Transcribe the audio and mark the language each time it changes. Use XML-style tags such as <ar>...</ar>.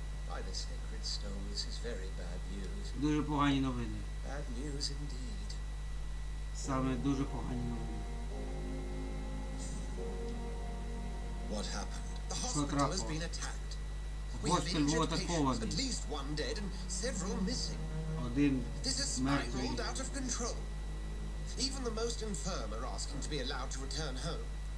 <en>By the sacred stone, this is very bad news.</en> <uk>Дуже погані новини.</uk> <en>Bad news indeed.</en> <uk>Саме дуже погані новини.</uk> <en>What happened? The hospital has been attacked.</en> <uk>Госпіталь був атакований.</uk> <en>At least one dead and several missing.</en> <uk>Один мертвий.</uk> <en>This is spiraled out of control. Even the most infirm are asking to be allowed to return home.</en>